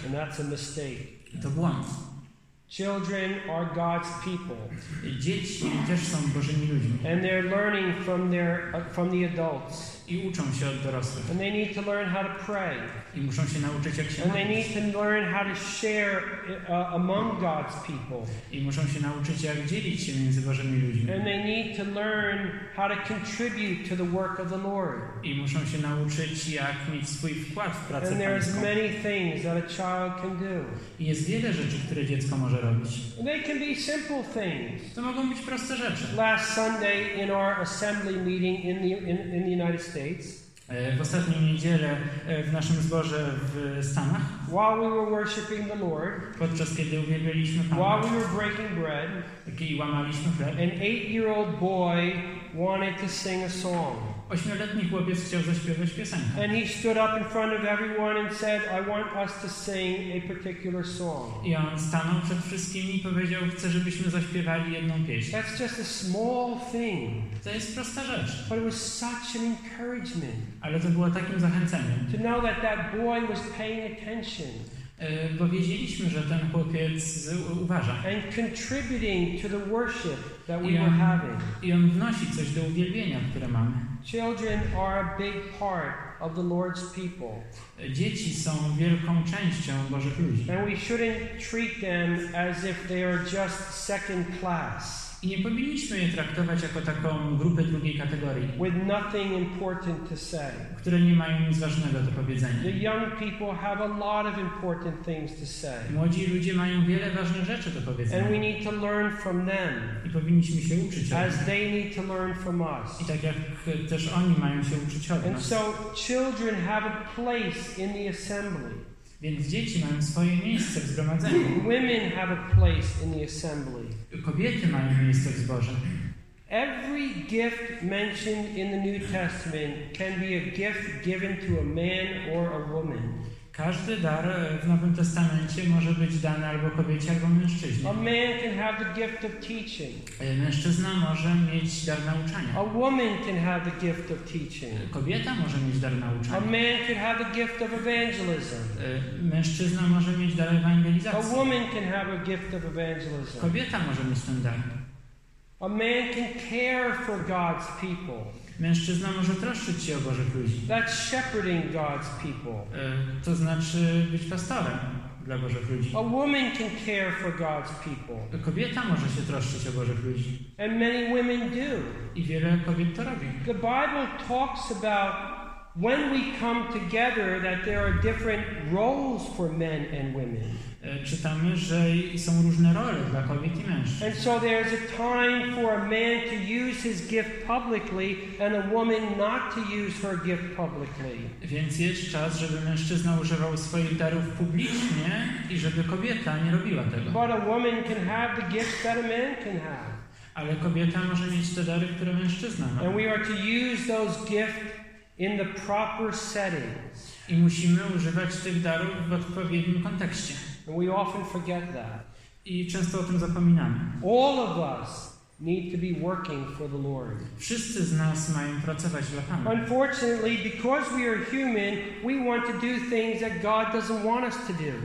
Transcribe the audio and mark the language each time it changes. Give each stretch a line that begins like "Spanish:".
English: And that's a mistake.
Polish: I to błąd.
English: Children are God's people.
Polish: Dzieci też są Bożymi ludźmi.
English: And they're learning from the adults.
Polish: I uczą się od dorosłych.
English: And they need to learn how to pray.
Polish: I muszą się nauczyć, jak się
English: and
Polish: modlić.
English: They need to learn how to share among God's people.
Polish: I muszą się nauczyć, jak dzielić się między Bożymi ludźmi.
English: And they need to learn how to contribute to the work of the Lord.
Polish: I muszą się nauczyć, jak mieć swój wkład w pracę Pańską.
English: There's many things that a child can do.
Polish: I jest wiele rzeczy, które dziecko może robić.
English: And they can be simple things.
Polish: To mogą być proste rzeczy.
English: Last Sunday in our assembly meeting in the United States.
Polish: W ostatnią niedzielę w naszym zborze w Stanach.
English: While we were worshiping the Lord.
Polish: Podczas kiedy uwielbialiśmy Pana.
English: While we were breaking bread.
Polish: Kiedy łamaliśmy chleb.
English: An 8-year-old boy wanted to sing a song.
Polish: 8-letni chłopiec chciał zaśpiewać piosenkę.
English: And he stood up in front of everyone and said, I want us to sing a particular song.
Polish: I on stanął przed wszystkimi i powiedział, chcę, żebyśmy zaśpiewali jedną pieśń.
English: That's just a small thing.
Polish: To jest prosta rzecz.
English: But it was such an encouragement.
Polish: Ale to było takim zachęceniem.
English: To know that that boy was paying attention.
Polish: Bo wiedzieliśmy, że ten chłopiec uważa.
English: And contributing to the worship that we were having.
Polish: I on wnosi coś do uwielbienia, które mamy.
English: Children are a big part of the Lord's people.
Polish: Dzieci są wielką częścią Bożych ludzi.
English: And we shouldn't treat them as if they are just second class.
Polish: I nie powinniśmy je traktować jako taką grupę drugiej kategorii.
English: With nothing important to say.
Polish: Które nie mają nic ważnego do powiedzenia.
English: The young people have a lot of important things to say.
Polish: Młodzi ludzie mają wiele ważnych rzeczy do powiedzenia.
English: And we need to learn from them.
Polish: I powinniśmy się uczyć od nich.
English: As they need to learn from us.
Polish: I tak jak też oni mają się uczyć od nas.
English: And so children have a place in the assembly.
Polish: Więc dzieci mają swoje miejsce w zgromadzeniu.
English: Women have a place in the assembly.
Polish: Kobiety mają miejsce w zborze.
English: Every gift mentioned in the New Testament can be a gift given to a man or a woman.
Polish: Każdy dar w Nowym Testamencie może być dany albo kobiecie, albo mężczyźnie.
English: A man can have the gift of teaching.
Polish: Mężczyzna może mieć dar nauczania.
English: A woman can have the gift of teaching.
Polish: Kobieta może mieć dar nauczania.
English: A man can have the gift of evangelism.
Polish: Mężczyzna może mieć dar ewangelizacji.
English: A woman can have a gift of evangelism.
Polish: Kobieta może mieć ten dar.
English: A man can care for God's people.
Polish: Mężczyzna może troszczyć się o Bożych ludzi.
English: That's shepherding God's people.
Polish: To znaczy być pastorem dla Bożych ludzi.
English: A woman can care for God's people.
Polish: Kobieta może się troszczyć o Bożych ludzi.
English: And many women do.
Polish: I wiele kobiet to robi.
English: The Bible talks about when we come together that there are different roles for men and women.
Polish: Czytamy, że są różne role dla kobiet i mężczyzn.
English: And so there is a time for a man to use his gift publicly and a woman not to use her gift publicly.
Polish: Więc jest czas, żeby mężczyzna używał swoich darów publicznie i żeby kobieta nie robiła tego.
English: But a woman can have the gift that a man can have.
Polish: Ale kobieta może mieć te dary, które mężczyzna ma.
English: And we are to use those gifts in the proper settings.
Polish: I musimy używać tych darów w odpowiednim kontekście.
English: And we often forget that.
Polish: I często o tym zapominamy.
English: All of us need to be working for the Lord.
Polish: Wszyscy z nas mają pracować dla Pana.
English: Unfortunately, because we are human, we want to do things that God doesn't want us to do.